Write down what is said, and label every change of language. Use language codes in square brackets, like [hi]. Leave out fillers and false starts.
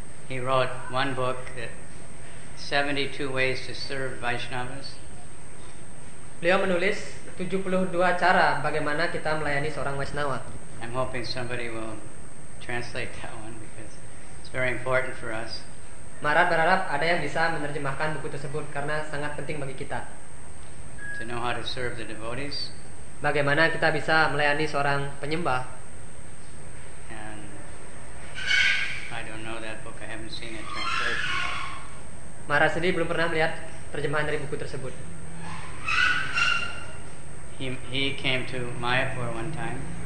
[en] He wrote one book that 72 ways to serve Vaishnavas. [id] Beliau menulis 72 cara bagaimana kita melayani seorang Vaishnava. [en] I'm hoping somebody will translate that one because it's very important for us. [id] Marat berharap ada yang bisa menerjemahkan buku tersebut karena sangat penting bagi kita. [en] To know how to serve the devotees. [id] Bagaimana kita bisa melayani seorang penyembah? [en] And I don't know that book. I haven't seen it translated. [id] Marat sendiri belum pernah melihat terjemahan dari buku tersebut. [en] He came to Mayapur one time.